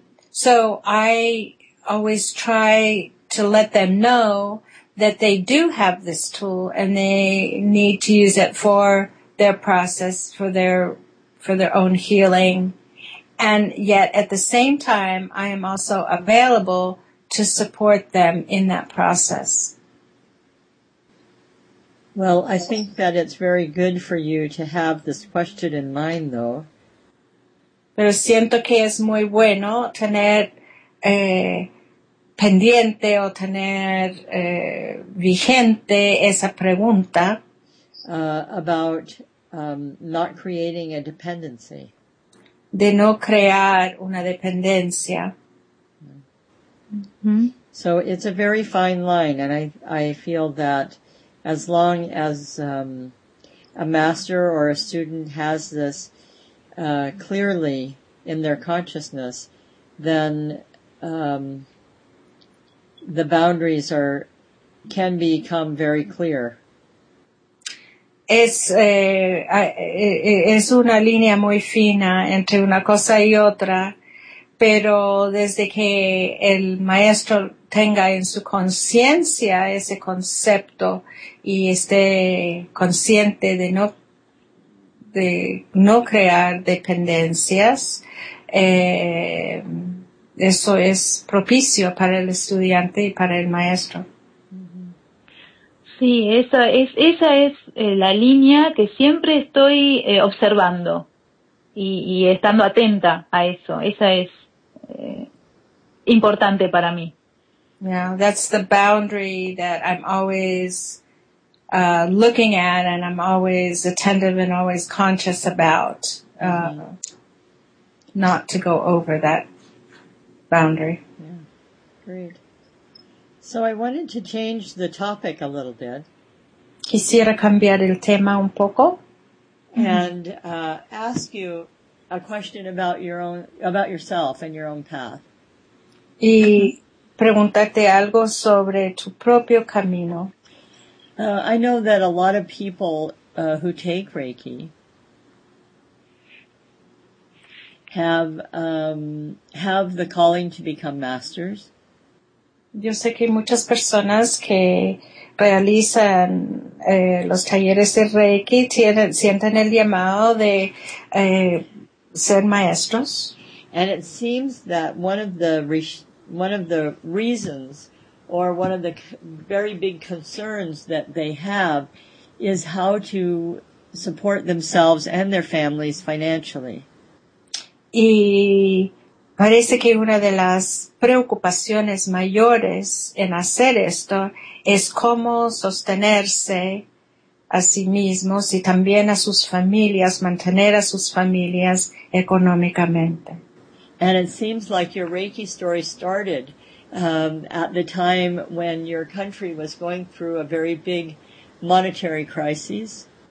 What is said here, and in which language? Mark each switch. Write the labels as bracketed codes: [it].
[en] So I always try to let them know that they do have this tool and they need to use it for their process, for their own healing. And yet at the same time, I am also available to support them in that process. Well, I think that it's very good for you to have this question in mind, though. [es] Pero siento que es muy bueno tener pendiente o tener vigente esa pregunta [en] about not creating a dependency. [es] De no crear una dependencia. Mm-hmm. [en] So it's a very fine line, and I feel that as long as a master or a student has this clearly in their consciousness, then the boundaries are can become very clear. [es] Es una línea muy fina entre una cosa y otra, pero desde que el maestro tenga en su conciencia ese concepto y esté consciente de no crear dependencias, eso es propicio para el estudiante y para el maestro. Sí, esa es la línea que siempre estoy observando y estando atenta a eso. Esa es importante para mí. [en] Yeah, that's the boundary that I'm always looking at, and I'm always attentive and always conscious about, not to go over that boundary. Yeah, great. So I wanted to change the topic a little bit. [es] Quisiera cambiar el tema un poco. [en] And ask you a question about yourself and your own path. [es] Y preguntarte algo sobre tu propio camino. [en] I know that a lot of people who take Reiki have the calling to become masters. [es] Yo sé que muchas personas que realizan los talleres de Reiki sienten el llamado de ser maestros. [en] And it seems that one of the reasons or one of the very big concerns that they have is how to support themselves and their families financially. [es] Y parece que una de las preocupaciones mayores en hacer esto es cómo sostenerse a sí mismos y también a sus familias, mantener a sus familias económicamente. [en] And it seems like your Reiki story started at the time when your country was going through a very big monetary crisis.